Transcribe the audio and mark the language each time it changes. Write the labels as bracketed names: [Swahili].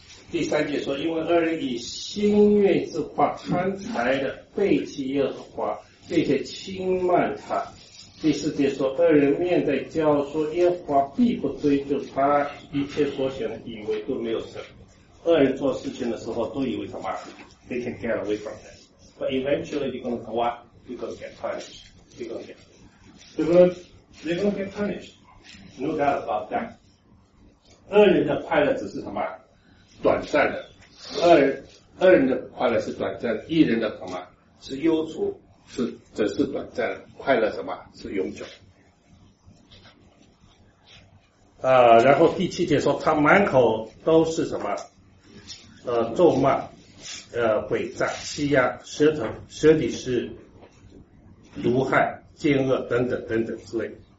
[Chinese] 第三节说，因为恶人以心愿之话贪财的背弃耶和华，并且轻慢他。第四节说，恶人面带骄傲说耶和华必不追究他一切所选的，以为都没有事。恶人做事情的时候都以为什么 [English] they can get away from that, but eventually you're going to go up, you're going to get punished, you're going to get, they're going to get punished, no doubt about that. [Chinese] 恶人的快乐只是什么短暂的，恶人的快乐是短暂的，义人的什么是忧愁是只是短暂的，快乐什么是永久。然后第七节说他满口都是什么咒骂，诡诈，欺压，舌底是毒害，奸恶等等等等之类。